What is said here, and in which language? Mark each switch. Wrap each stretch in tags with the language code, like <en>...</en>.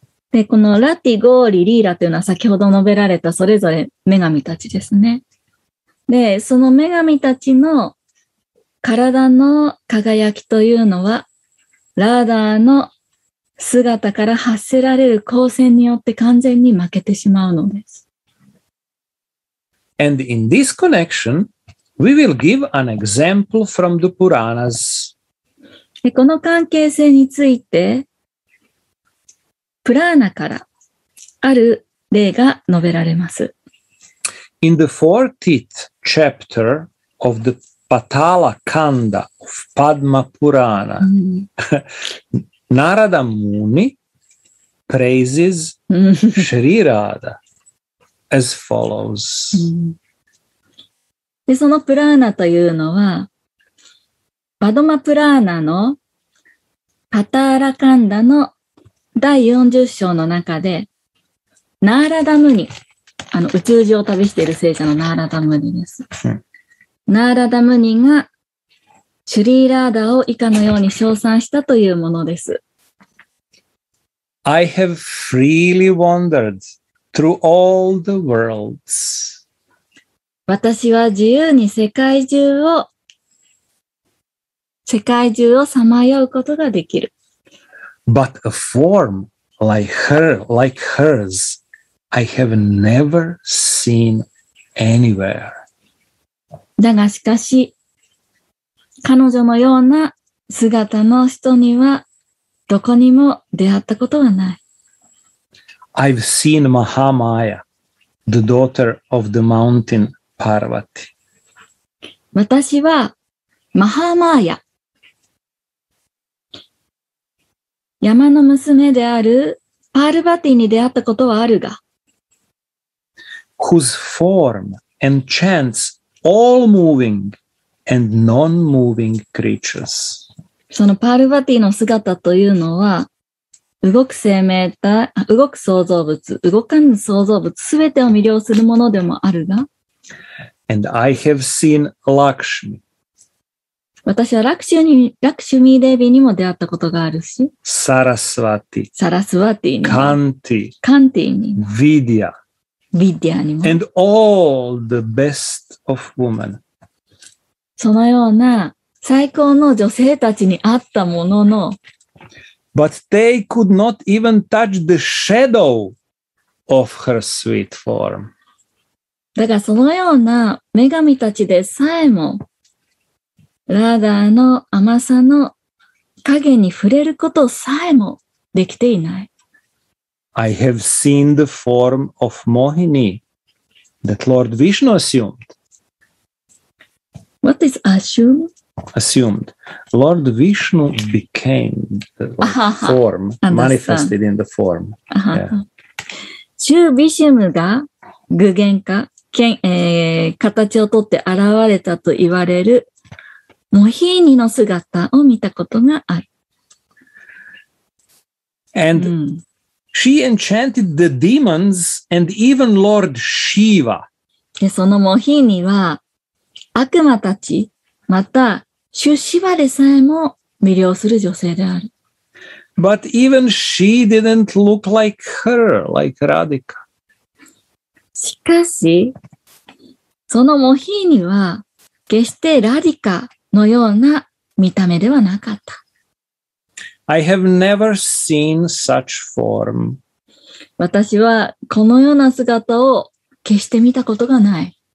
<ja>で、このラティ、ゴーリ、リーラというのは先ほど述べられたそれぞれ女神たちですね。で、その女神たちの体の輝きというのは、ラーダーの姿から発せられる光線によって完全に負けてしまうのです。</ja> <en>And in this connection, we will give an example from the Puranas.</en> <ja>でこの関係性についてプラーナからある例が述べられます。</ja> <en>In the 40th chapter of the Patala Kanda of Padma Purana,、うん、Narada Muni praises Shri Radha as follows.、</en> <ja>うん、でそのプラーナというのはパドマプラーナのパターラカンダの第40章の中でナーラダムニあの宇宙中を旅している聖者のナーラダムニです。ナーラダムニがシュリーラーダを以下のように称賛したというものです。</ja> <en>I have freely wandered through all the worlds.</en> <ja>私は自由に世界中をさまようことができる。</ja> <en>But a form like hers, I have never seen anywhere.</en> <ja>だがしかし、彼女のような姿の人にはどこにも出会ったことはない。</ja> <en>I've seen Mahamaya, the daughter of the mountain Parvati.</en> <ja>私はマハマーヤ、山の娘であるパールバティに出会ったことはあるが、</ja> <en>whose form enchants all moving and non-moving creatures.</en> <ja>そのパールバティの姿というのは、動く生命体、動く創造物、動かぬ創造物、すべてを魅了するものでもあるが、</ja> <en>and I have seen Lakshmi.</en> <ja>私はラクシュミーデービーにも出会ったことがあるし、サラスワティに、カンティに、ヴィディアにも、</ja> <en>and all the best of women。</en> <ja>そのような最高の女性たちに会ったものの、</ja> <en>but they could not even touch the shadow of her sweet form。</en> <ja>だがそのような女神たちでさえも、ラーダーの甘さの影に触れることさえもできていない。</ja> <en>I have seen the form of Mohini that Lord Vishnu assumed. What is assumed? Assumed. Lord Vishnu became the form, manifested in the form.</en> <ja>シュー・ヴィシュムが具現化、形をとって現れたと言われるモヒーニの姿を見たことがある。</ja> <en>And、うん、she enchanted the demons and even Lord Shiva.</en> <ja>で、そのモヒーニは悪魔たち、またシュシバでさえも魅了する女性である。</ja> <en>But even she didn't look like her, like Radhika.</en> <ja>しかし、そのモヒーニは決してラディカ、のような見た目ではなかった。</ja> <en>I have never seen such form.</en> <ja>私はこのような姿を決して見たことがない。</ja>